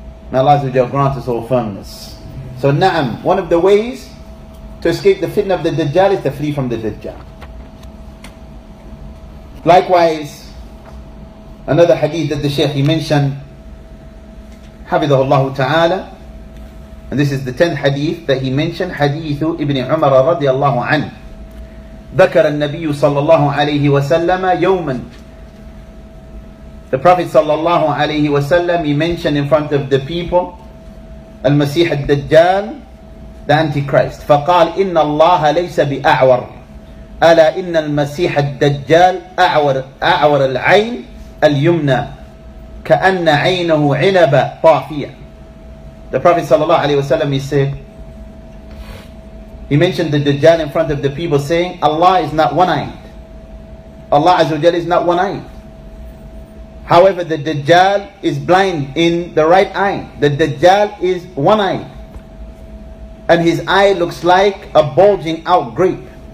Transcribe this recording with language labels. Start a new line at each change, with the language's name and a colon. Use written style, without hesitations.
English: May Allah grant us all firmness. So na'am, one of the ways to escape the fitna of the Dajjal is to flee from the Dajjal. Likewise, another hadith that the Shaykh mentioned, Hafidhahullah Ta'ala, and this is the 10th hadith that he mentioned, hadith Ibn Umar radiallahu anhu.
Arabic: ذكر النبي صلى الله عليه وسلم يوما.
English: The Prophet صلى الله عليه وسلم, he mentioned in front of the people,
Arabic: المسيح الدجال,
English: the Antichrist.
Arabic: فقال إن الله ليس بأعور. ألا إن المسيح الدجال أعور العين اليمنى كأن عينه عنبة طافية.
English: The Prophet صلى الله عليه وسلم, he said, he mentioned the Dajjal in front of the people saying, Allah is not one-eyed. Allah Azza wa Jalla is not one-eyed. However, the Dajjal is blind in the right eye. The Dajjal is one-eyed. And his eye looks like a bulging out grape.